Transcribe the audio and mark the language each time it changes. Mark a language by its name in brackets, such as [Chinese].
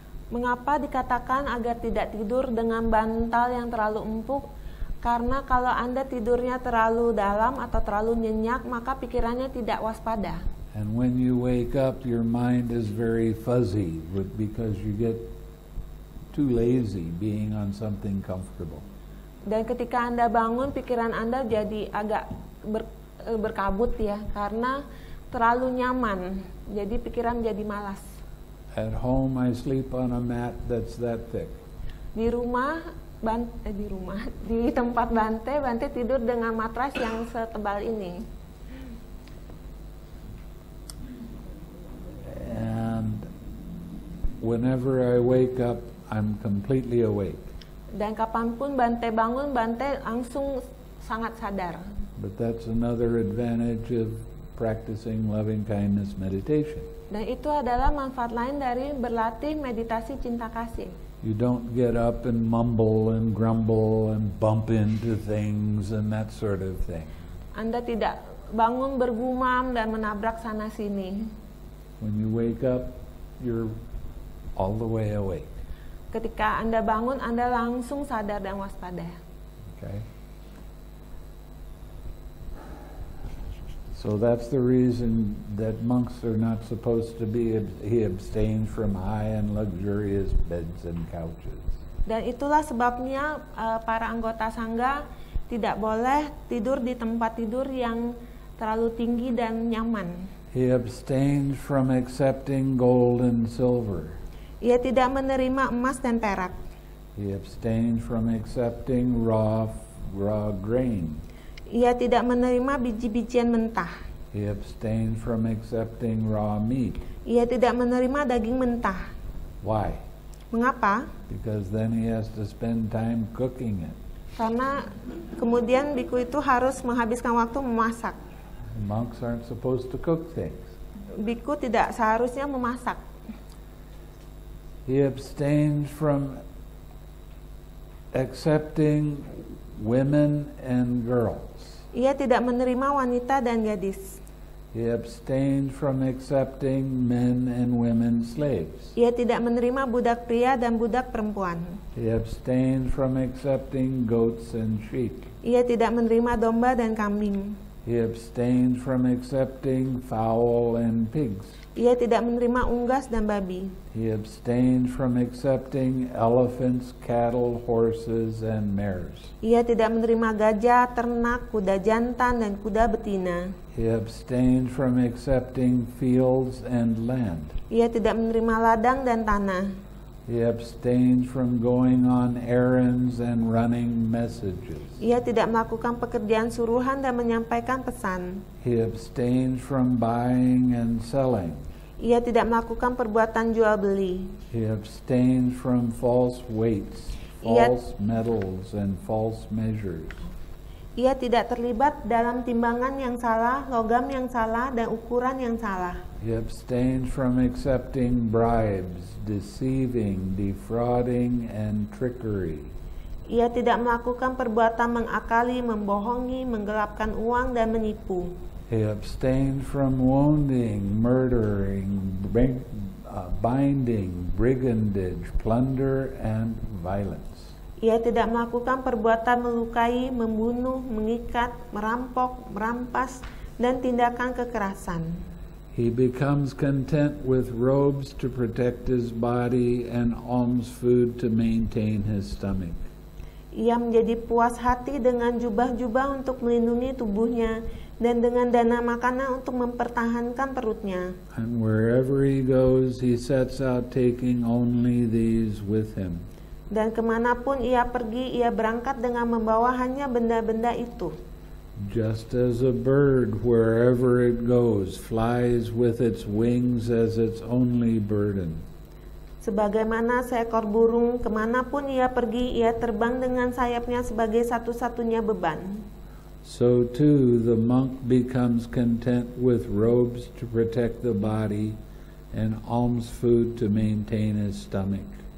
[Indonesian] Mengapa dikatakan agar tidak tidur dengan bantal yang terlalu empuk? Karena kalau Anda tidurnya terlalu dalam atau terlalu nyenyak, maka pikirannya tidak waspada. [English] And when you wake up, your mind is very fuzzy because you get too lazy being on something comfortable. [Indonesian] Dan ketika Anda bangun, pikiran Anda jadi agak berkabut ya, karena terlalu nyaman. Jadi pikiran jadi malas. [English] At home I sleep on a mat that's that thick. [Indonesian] Di tempat bantai tidur dengan matras yang setebal ini. [English] And whenever I wake up, I'm completely awake. [Indonesian] Dan kapanpun bantai bangun, bantai langsung sangat sadar. [English] But that's another advantage of practicing loving kindness meditation. [Indonesian] Dan itu adalah manfaat lain dari berlatih meditasi cinta kasih. [English] You don't get up and mumble and grumble and bump into things and that sort of thing. [Indonesian] Anda tidak bangun bergumam dan menabrak sana sini. [English] When you wake up, you're all the way awake. [Indonesian] Ketika Anda bangun, Anda langsung sadar dan waspada. [English] Okay. So that's the reason that monks are not supposed to be he abstains from high and luxurious beds and couches. [Indonesian] Dan itulah sebabnya para anggota sangha tidak boleh tidur di tempat tidur yang terlalu tinggi dan nyaman. [English] He abstains from accepting gold and silver. [Indonesian] Ia tidak menerima emas dan perak. [English] He abstains from accepting raw grain. [Indonesian] Ia tidak menerima biji-bijian mentah. [English] He abstains from accepting raw meat. [Indonesian] Ia tidak menerima daging mentah. [English] Why? [Indonesian] Mengapa? [English] Because then he has to spend time cooking it. [Indonesian] Karena kemudian bhikkhu itu harus menghabiskan waktu memasak. [English] Monks aren't supposed to cook things. [Indonesian] Bhikkhu tidak seharusnya memasak. [English] He abstains from accepting women and girls. [Indonesian] Ia tidak menerima wanita dan gadis. [English] He abstains from accepting men and women slaves. [Indonesian] Ia tidak menerima budak pria dan budak perempuan. [English] He abstains from accepting goats and sheep. [Indonesian] Ia tidak menerima domba dan kambing. [English] He abstained from accepting fowl and pigs. [Indonesian] Ia tidak menerima unggas dan babi. [English] He abstained from accepting elephants, cattle, horses, and mares. [Indonesian] Ia tidak menerima gajah, ternak, kuda jantan, dan kuda betina. [English] He abstained from accepting fields and land. [Indonesian] Ia tidak menerima ladang dan tanah. [English] He abstained from going on errands and running messages. [Indonesian] Ia tidak melakukan pekerjaan suruhan dan menyampaikan pesan. [English] He abstained from buying and selling. [Indonesian] Ia tidak melakukan perbuatan jual beli. [English] He abstained from false weights, false metals, and false measures. [Indonesian] Ia tidak terlibat dalam timbangan yang salah, logam yang salah, dan ukuran yang salah. [English] He abstained from accepting bribes, deceiving, defrauding, and trickery. [Indonesian] Ia tidak melakukan perbuatan mengakali, membohongi, menggelapkan uang, dan menipu. [English] He abstained from wounding, murdering, binding, brigandage, plunder, and violence. [Indonesian] Ia tidak melakukan perbuatan melukai, membunuh, mengikat, merampok, merampas, dan tindakan kekerasan. [English] He becomes content with robes to protect his body and alms food to maintain his stomach. [Indonesian] Ia menjadi puas hati dengan jubah-jubah untuk melindungi tubuhnya dan dengan dana makanan untuk mempertahankan perutnya. [English] And wherever he goes, he sets out taking only these with him. [Indonesian] Dan kemanapun ia pergi, ia berangkat dengan membawa hanya benda-benda itu. [English] Just as a bird, wherever it goes, flies with its wings as its only burden. [Indonesian] Sebagaimana seekor burung, kemanapun ia pergi, ia terbang dengan sayapnya sebagai satu-satunya beban. [English] So too, the monk becomes content with robes to protect the body and alms food to maintain his stomach.